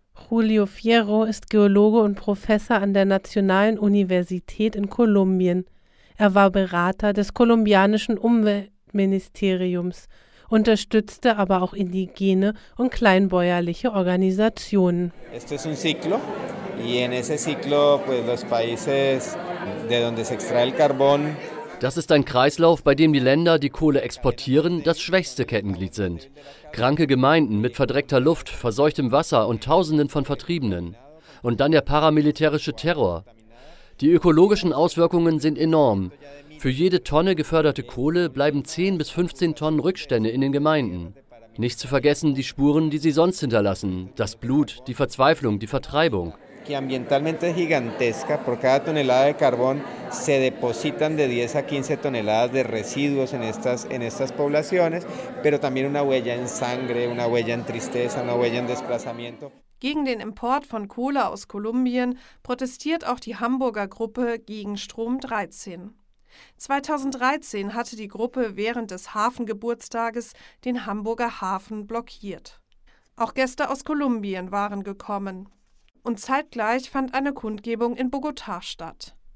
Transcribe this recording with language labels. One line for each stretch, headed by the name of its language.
German: Julio Fierro ist Geologe und Professor an der Nationalen Universität in Kolumbien. Er war Berater des kolumbianischen Umweltministeriums, unterstützte aber auch indigene und kleinbäuerliche Organisationen.
Spanish: Esto es un ciclo y en ese ciclo pues los países de donde se extrae el carbón.
German: Das ist ein Kreislauf, bei dem die Länder, die Kohle exportieren, das schwächste Kettenglied sind. Kranke Gemeinden mit verdreckter Luft, verseuchtem Wasser und Tausenden von Vertriebenen. Und dann der paramilitärische Terror. Die ökologischen Auswirkungen sind enorm. Für jede Tonne geförderte Kohle bleiben 10 bis 15 Tonnen Rückstände in den Gemeinden. Nicht zu vergessen die Spuren, die sie sonst hinterlassen. Das Blut, die Verzweiflung, die Vertreibung.
Spanish: Que ambientalmente es gigantesca, por cada tonelada de carbón se depositan de 10 a 15 toneladas de residuos en estas poblaciones, pero también una huella en sangre, una huella en tristeza, una huella en desplazamiento.
German: Gegen den Import von Kohle aus Kolumbien protestiert auch die Hamburger Gruppe Gegen Strom 13. 2013 hatte die Gruppe während des Hafengeburtstages den Hamburger Hafen blockiert. Auch Gäste aus Kolumbien waren gekommen. Und zeitgleich fand eine Kundgebung in Bogotá statt.